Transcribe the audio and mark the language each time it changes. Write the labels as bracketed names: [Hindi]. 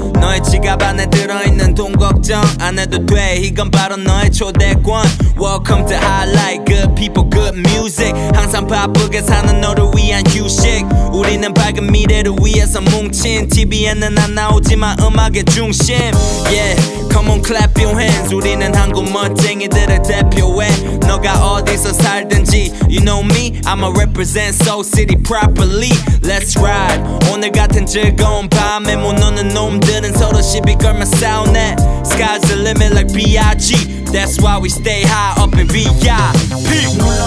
[Korean] 너의 지갑 안에 들어있는 돈 걱정 안 해도 돼. 이건 바로 너의 초대권. [English] Welcome to highlight. Good people, good music. [Korean] 항상 바쁘게 사는 너를 위한 휴식. 우리는 밝은 미래를 위해서 뭉친. TV에는 안 나오지만 음악의 중심. [English] Yeah, come on clap your hands. [Korean] 우리는 한국 멋쟁이들을 대표해. 너가 어디서 살든지 [English] you know me. I'ma represent Soul City properly. Let's ride. [Korean] 오늘 같은 즐거운 밤에 못 노는 놈들은 서로 시비 걸면 싸우네. [English] Sky's the limit like B.I.G. That's why we stay high up in V.I.P.